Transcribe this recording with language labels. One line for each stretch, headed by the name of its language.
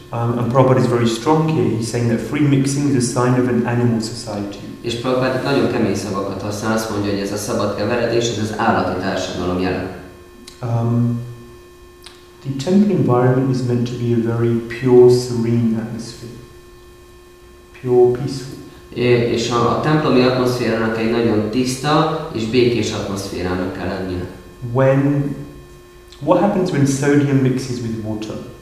English: And Prabhupada is very strong here. He's saying that free mixing is a sign of an animal society.
Hungarian: És Prabhupada nagyon kemény szavakat használ, azt mondja, hogy ez a szabad keveredés, ez az állati társadalom jelen.
English: The temple environment is meant to be a very pure, serene atmosphere. Pure, peaceful.
Hungarian: És a templomi atmoszférának egy nagyon tiszta és békés atmoszférának kell lennie.
English: What happens when sodium mixes with water?